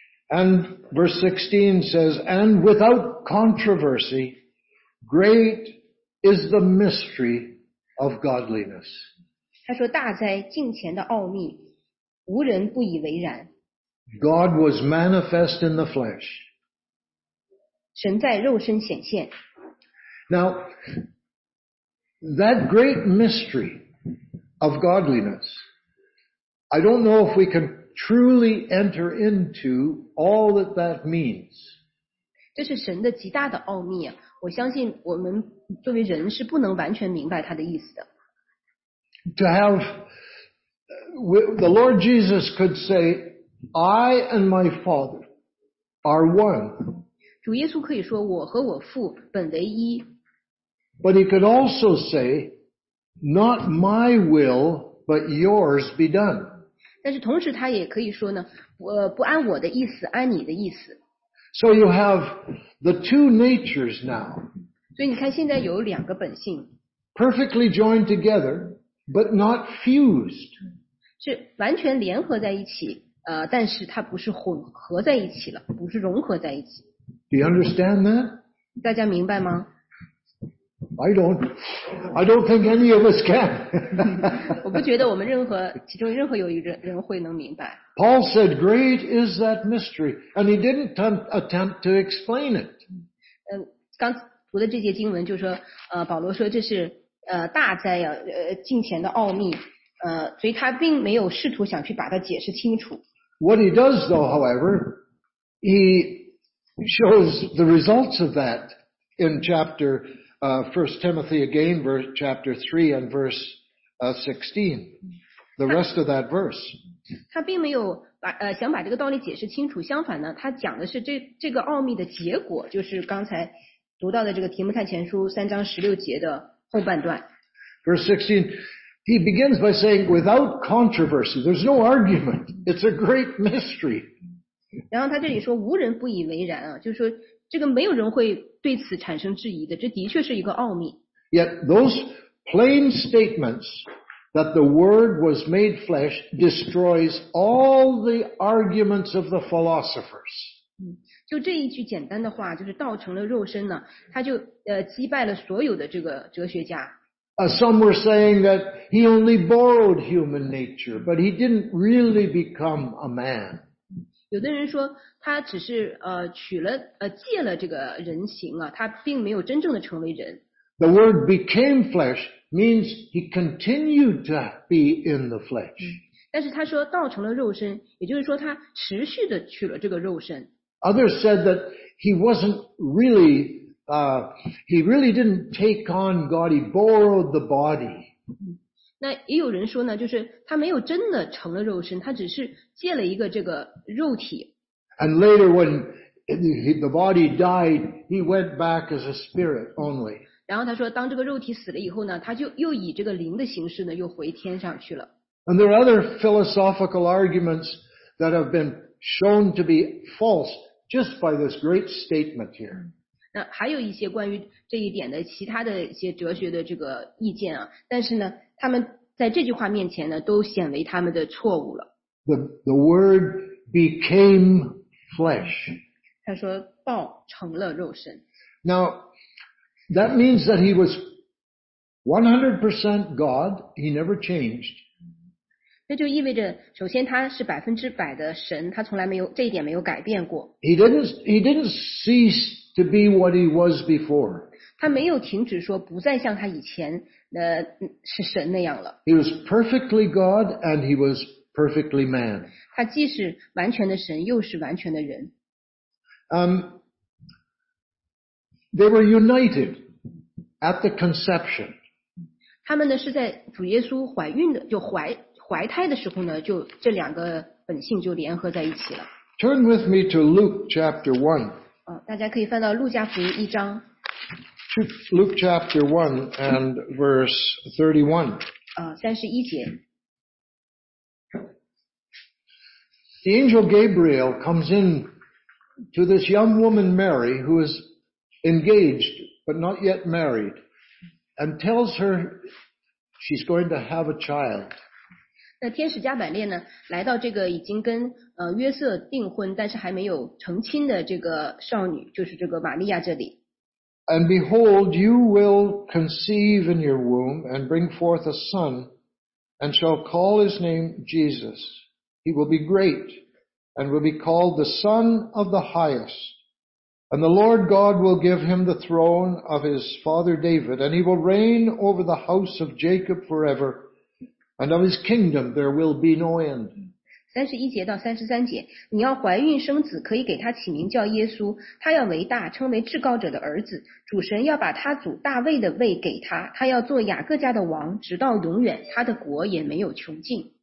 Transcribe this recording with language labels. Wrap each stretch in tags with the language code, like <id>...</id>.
<en>And verse 16 says, And without controversy, great is the mystery of godliness.</en> <zh>他说大哉敬虔的奥秘，无人不以为然。</zh> <en>God was manifest in the flesh.</en> <zh>神在肉身显现。</zh> <en>Now, that great mystery of godliness, I don't know if we can... Truly enter into all that means.</en> <zh>这是神的极大的奥秘啊！我相信我们作为人是不能完全明白他的意思的。</zh> <en>To have the Lord Jesus could say, "I and my Father are one."</en> <zh>主耶稣可以说，我和我父本为一。</zh> <en>But he could also say, "Not my will, but yours be done."</en> <zh>但是同时他也可以说呢，不按我的意思，按你的意思。</zh> <en>So you have the two natures now.</en> <zh>所以你看现在有两个本性。</zh> <en>Perfectly joined together, but not fused.</en> <zh>是完全联合在一起，但是它不是混合在一起了，不是融合在一起。</zh> <en>Do you understand that?</en> <zh>大家明白吗？</zh> <en>I don't think any of us can.</en> <zh>我不觉得我们任何其中任何有一人会能明白。</zh> <en>Paul said, "Great is that mystery," and he didn't attempt to explain it.</en> <zh>刚读的这节经文就说，保罗说这是大哉呀，敬虔的奥秘，所以他并没有试图想去把它解释清楚。</zh> <en>What he does, though, however, he shows the results of that in chapter. First Timothy again, verse chapter 3 and verse 16. The rest of that verse.</en> <zh>他并没有想把这个道理解释清楚，相反呢，他讲的是这个奥秘的结果，就是刚才读到的这个提摩太前书三章十六节的后半段。</zh> <en>Verse 16, he begins by saying, without controversy, there's no argument, it's a great mystery.</en> <zh>然后他这里说无人不以为然啊，就是说这个没有人会对此产生质疑的，这的确是一个奥秘。</zh> <en>Yet those plain statements that the Word was made flesh destroys all the arguments of the philosophers.</en> <zh>就这一句简单的话，就是道成了肉身呢，他就击败了所有的这个哲学家。</zh> <en>Some were saying that he only borrowed human nature, but he didn't really become a man.</en> <zh>有的人说他只是借了这个人形啊，他并没有真正的成为人。</zh> <en>The word became flesh means he continued to be in the flesh.</en> <zh>但是他说道成了肉身，也就是说他持续的取了这个肉身。</zh> <en>Others said that he wasn't really, he really didn't take on God, he borrowed the body.</en> <zh>那也有人说呢，就是他没有真的成了肉身，他只是借了一个这个肉体。</zh> <en>And later when the body died, he went back as a spirit only.</en> <zh>然后他说当这个肉体死了以后呢，他就又以这个灵的形式呢又回天上去了。</zh> <en>And there are other philosophical arguments that have been shown to be false just by this great statement here.</en> <zh>那还有一些关于这一点的其他的一些哲学的这个意见啊，但是呢，他们在这句话面前呢，都显为他们的错误了。</zh> <en>The word became flesh.</en> <zh>他说道成了肉身。</zh> <en>Now, that means that he was 100% God, he never changed.</en> <zh>那就意味着，首先他是百分之百的神，他从来没有，这一点没有改变过。</zh> <en>He didn't cease. To be what he was before.</en> <zh>他没有停止说不再像他以前是神那样了。</zh> <en>He was perfectly God and he was perfectly man.</en> <zh>他既是完全的神，又是完全的人。</zh> <en>They were united at the conception.</en> <zh>他们呢是在主耶稣怀孕的，就怀胎的时候呢，就这两个本性就联合在一起了。</zh> <en>Turn with me to Luke chapter 1.</en> <zh>大家可以翻到路加福音一章。</zh> <en>Luke chapter 1 and verse 31.</en> <zh>31节。</zh> <en>The angel Gabriel comes in to this young woman Mary, who is engaged but not yet married, and tells her she's going to have a child.</en> <zh>那天使加百列呢，来到这个已经跟约瑟订婚但是还没有成亲的这个少女，就是这个玛利亚这里。</zh> <en>And behold, you will conceive in your womb and bring forth a son, and shall call his name Jesus. He will be great, and will be called the Son of the Highest. And the Lord God will give him the throne of his father David, and he will reign over the house of Jacob forever, and of his kingdom there will be no end.</en> <zh>31节到33节，你要怀孕生子，可以给他起名叫耶稣，他要为大，称为至高者的儿子，主神要把他祖大卫的位给他，他要做雅各家的王，直到永远，他的国也没有穷尽。</zh>